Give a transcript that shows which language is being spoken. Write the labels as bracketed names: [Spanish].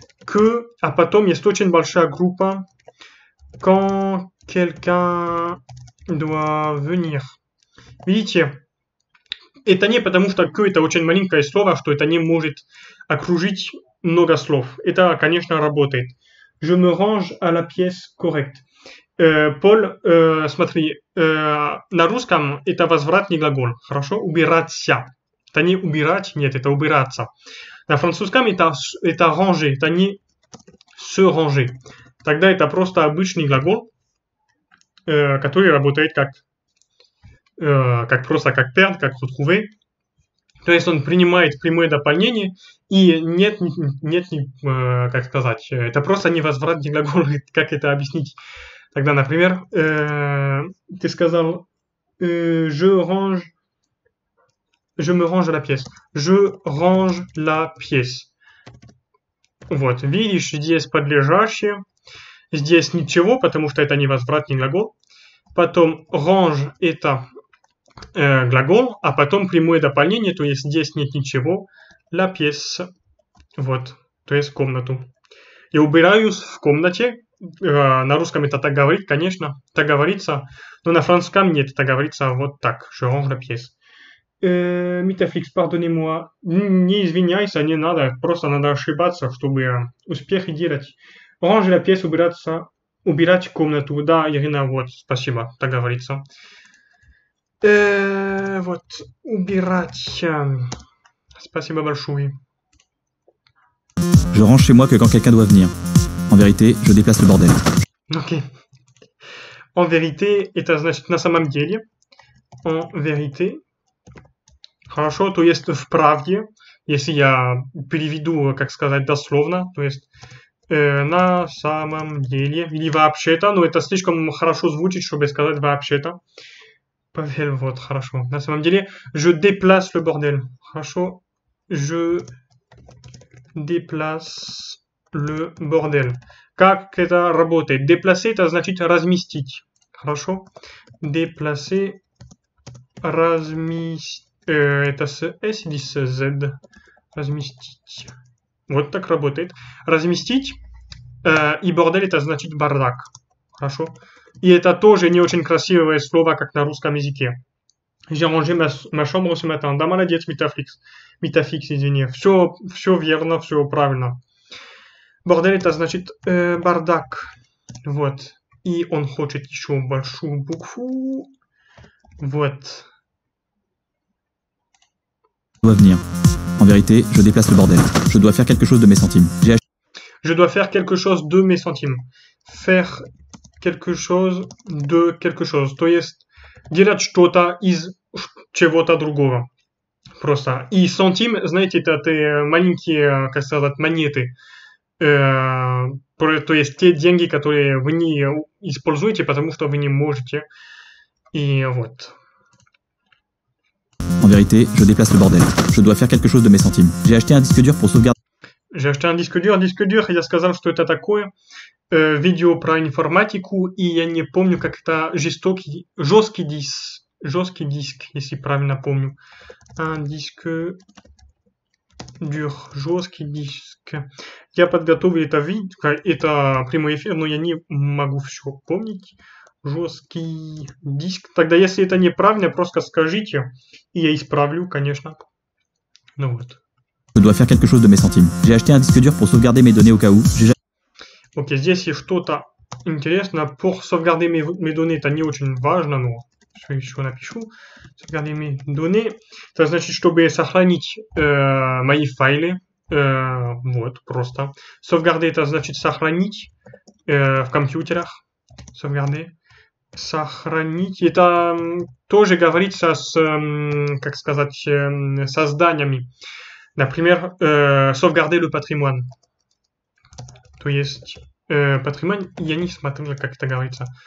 [Russian] que, а потом есть очень большая группа, [French] quand quelqu'un doit venir. [Russian] Видите? Это не потому, что que это очень маленькое слово, что это не может окружить много слов. Это, конечно, работает. [French] Je me range à la pièce correcte. [Russian] Paul, смотри, на русском это возвратный глагол. Хорошо? Убираться. Это не убирать, нет, это убираться. На французском это ranger, это не se ranger. Тогда это просто обычный глагол, который работает как просто как perdre, как retrouver. То есть он принимает прямое дополнение и как сказать, это просто невозвратный глагол, как это объяснить. Тогда, например, ты сказал, [French] je me range la pièce. Je range la pièce. [Russian] Вот, видишь, здесь подлежащее, здесь ничего, потому что это невозвратный глагол. Потом range это глагол, а потом прямое дополнение, то есть здесь нет ничего, la pièce, вот, то есть комнату. И убираюсь в комнате, на русском это так говорит, конечно, так говорится, но на французском нет, это говорится вот так, [French] je range la pièce. [Russian] Metaflix, [French] pardonnez-moi, [Russian] не извиняйся, не надо, просто надо ошибаться, чтобы успехи делать. [French] Range la pièce, [Russian] убирать комнату, да, Ирина, вот, спасибо, так говорится. Вот, убирать. Спасибо большое. [French] Je range chez moi que quand quelqu'un doit venir. En vérité, je déplace le bordel. Ok. En vérité, [Russian] это значит на самом деле. [French] En vérité. [Russian] Хорошо, то есть в правде, если я переведу, как сказать, дословно, то есть на самом деле, или вообще-то, но это слишком хорошо звучит, чтобы сказать вообще-то. Павел, вот, хорошо. На самом деле, [French] je déplace le bordel. [Russian] Хорошо. [French] Je déplace le bordel. [Russian] Как это работает? Déplacer, это значит разместить. Хорошо. Déplacer, это с S или с Z? Разместить. Вот так работает. Разместить. И бордель, это значит бардак. Хорошо. И это тоже не очень красивое слово, как на русском языке. [French] J'ai rangé ma chambre ce matin. [Russian] Да, молодец, Метафикс. Метафикс, извини. Все верно, все правильно. Бордель это значит бардак. Вот. И он хочет еще большую букву. Вот. [French] Doit venir. En vérité, je déplace le bordel. Je dois faire quelque chose de mes centimes. J'ai acheté. Je dois faire quelque chose de mes centimes. Faire quelque chose de quelque chose. [Russian] То есть, делать что-то из чего-то другого. Просто. И сантим, знаете, это те маленькие, как сказать, монеты. То есть, те деньги, которые вы не используете, потому что вы не можете. И вот. [French] En vérité, je déplace le bordel. Je dois faire quelque chose de mes centimes. J'ai acheté un disque dur pour sauvegarder. J'ai acheté un disque dur. [Russian] Disque dur, я сказал, что это такое. Видео про информатику, и я не помню, как это жесткий диск. Жесткий диск, если правильно помню. [French] Un disque dur. [Russian] Жесткий диск. Я подготовил это видео, это прямой эфир, но я не могу все помнить. Жесткий диск. Тогда, если это неправильно, просто скажите, и я исправлю, конечно. Ну вот. [French] Je dois faire quelque chose de mes centimes. J'ai acheté un disque dur pour sauvegarder mes données au cas où. [Russian] Ok, здесь есть что-то интересное. [French] Pour sauvegarder mes données, [Russian] это не очень важно, но все еще напишу. [French] Sauvegarder mes données, [Russian] это значит, чтобы сохранить мои файлы. Вот, просто. Sauvegarder, это значит сохранить в компьютерах. Sauvegarder. Сохранить. Это тоже говорится с, как сказать, со зданиями. Например, [French] sauvegarder le patrimoine. [Russian] То есть, патримон, я не смотрел, как это говорится.